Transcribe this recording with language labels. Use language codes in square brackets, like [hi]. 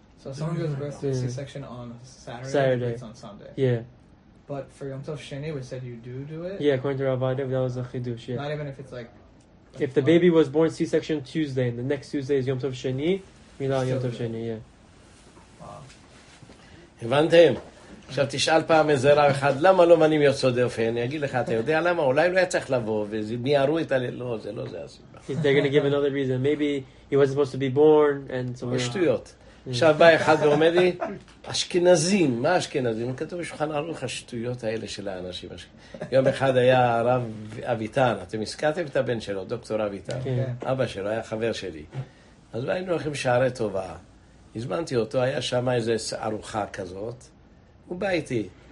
[en] So someone gives birth to a C-section on Saturday, it's on Sunday. Yeah. But for Yom Tov Sheni, we said you do it? Yeah, according to Rav Adev, that was a chidush, yeah. Not even if it's like... If the baby was born C-section Tuesday, and the next Tuesday is Yom Tov Sheni, Milah Yom Tov Sheni, yeah. [he] הבנתם? עכשיו תשאל פעם איזה רב אחד, למה לא מנים יוצא דופן? אני אגיד לך, אתה יודע למה? אולי לא היה צריך לבוא, ומיירו את הלילה. לא, זה לא זה הסיבה. [en] They're going to give another reason. Maybe he wasn't supposed to be born, and so on. [he] בשטויות. עכשיו בא אחד ואומר לי, אשכנזים, מה אשכנזים? הוא כתוב בשולחן ערוך השטויות האלה של האנשים. יום אחד היה רב אביטן, אתם הזכרתם את הבן שלו, דוקטור אביטן, אבא שלו, היה חבר שלי. אז היינו הולכים שערי טובה. הזמנתי אותו, היה שם איזו ארוחה כזאת, הוא בא איתי.